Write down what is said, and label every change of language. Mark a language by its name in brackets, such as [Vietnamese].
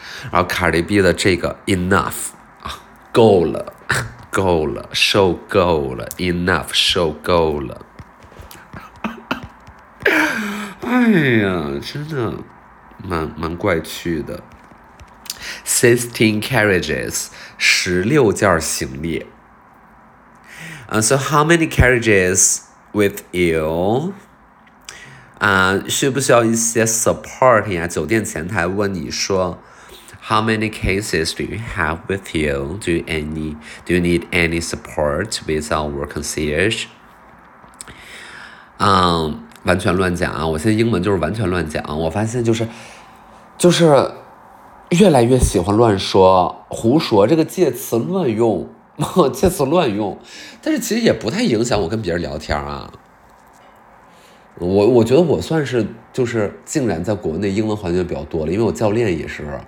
[Chinese] 然后卡莉B 的这个 enough 够了够了 ，show 够了 ，enough，show 够了。哎呀，真的蛮怪趣的。 16 carriages， 十六件行李。 [English] So how many carriages with you？ [Chinese] 啊，需不需要一些 support 呀？酒店前台问你说。 [English] How many cases do you have with you? Do you need any support with our concierge? [Chinese] 完全乱讲啊！我现在英文就是完全乱讲。我发现就是越来越喜欢乱说、胡说这个介词乱用，介词乱用。但是其实也不太影响我跟别人聊天啊。我觉得我算是就是竟然在国内英文环境比较多了，因为我教练也是。